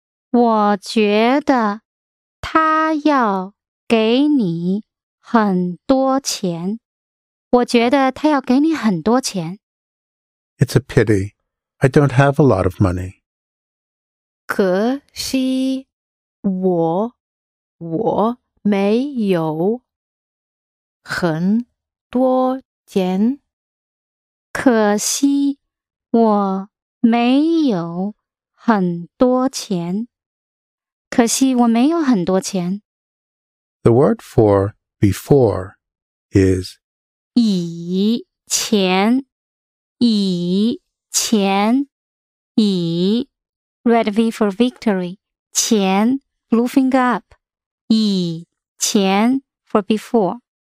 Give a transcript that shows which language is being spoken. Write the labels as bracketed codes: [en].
[zh] 我觉得他要给你很多钱我觉得他要给你很多钱 [en] It's a pity I don't have a lot of money [zh] 可惜我没有很多钱可惜我没有很多钱可惜我没有很多钱 [en] The word for before is [zh] 以前以前以 [en] Red V for victory [zh] 前 [en] Blue finger up [zh] 以前 [en] for before